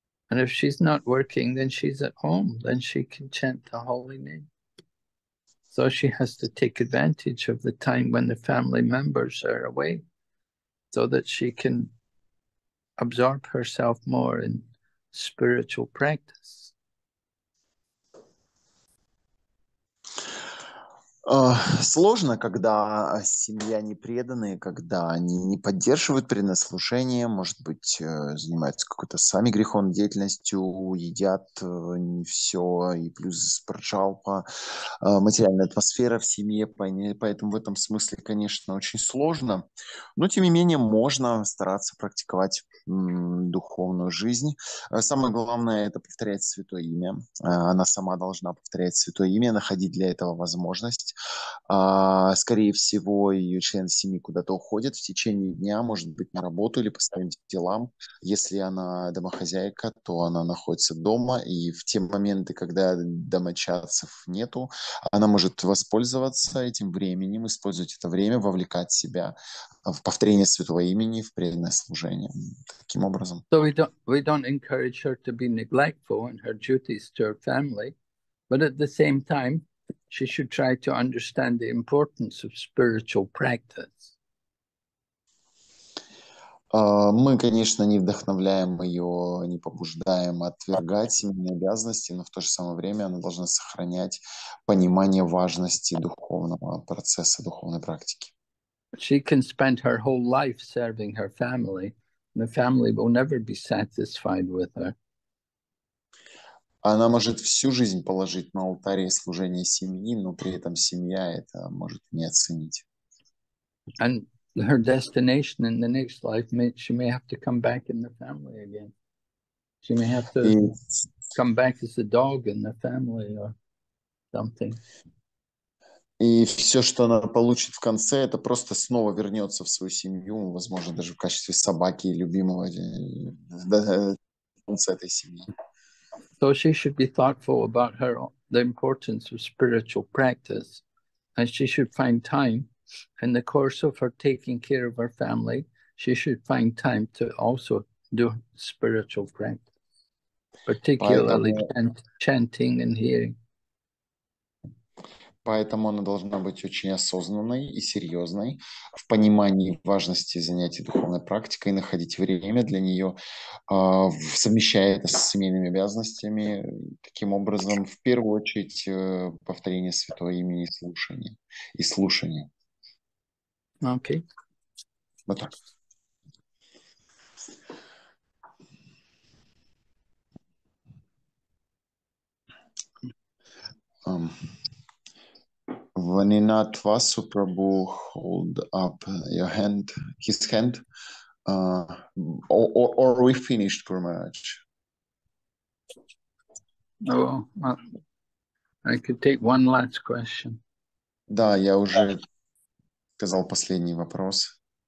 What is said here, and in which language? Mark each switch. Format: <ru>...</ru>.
<en>And if she's not working, then she's at home. Then she can chant the holy name. So she has to take advantage of the time when the family members are away so that she can absorb herself more in spiritual practice.</en> <ru>Сложно, когда семья не преданная, когда они не поддерживают принаслужение, может быть, занимаются какой-то сами греховной деятельностью, едят не все, и плюс спрачалпа, материальная атмосфера в семье, поэтому в этом смысле, конечно, очень сложно. Но, тем не менее, можно стараться практиковать духовную жизнь. Самое главное – это повторять святое имя. Она сама должна повторять святое имя, находить для этого возможность. Скорее всего, ее члены семьи куда-то уходят в течение дня, может быть, на работу или по своим делам. Если она домохозяйка, то она находится дома, и в те моменты, когда домочадцев нету, она может воспользоваться этим временем, использовать это время, вовлекать себя в повторение святого имени, в преданное служение. Таким образом.</ru> <en>So we don't encourage her to be neglectful in her duties to her family, but at the same time, she should try to understand the importance of spiritual practice.</en> <ru>Мы, конечно, не вдохновляем ее, не побуждаем отвергать семейные обязанности, но в то же самое время она должна сохранять понимание важности духовного процесса, духовной практики.</ru> <en>She can spend her whole life serving her family. The family will never be satisfied with her.</en> <ru>Она может всю жизнь положить на алтаре служения семьи, но при этом семья это может не оценить.</ru> <en>And her destination in the next life, may, she may have to come back in the family again. She may have to come back as a dog in the family or something.</en> <ru>И все, что она получит в конце, это просто снова вернется в свою семью, возможно, даже в качестве собаки и любимого в конце этой семьи.</ru> <en>So she should be thoughtful about her, the importance of spiritual practice, and she should find time in the course of her taking care of her family, she should find time to also do spiritual practice, particularly chanting and hearing.</en> <ru>Поэтому она должна быть очень осознанной и серьезной в понимании важности занятий духовной практикой и находить время для нее, совмещая это с семейными обязанностями, таким образом, в первую очередь, повторение святого имени слушания и слушания. Окей. Вот так.</ru> <en>Ваннинат Васу Прабу, hold up your hand, his hand, or we finished, Guru Maharaj. Oh, well, I could take one last question.</en> <ru>Да, я уже сказал последний вопрос.</ru>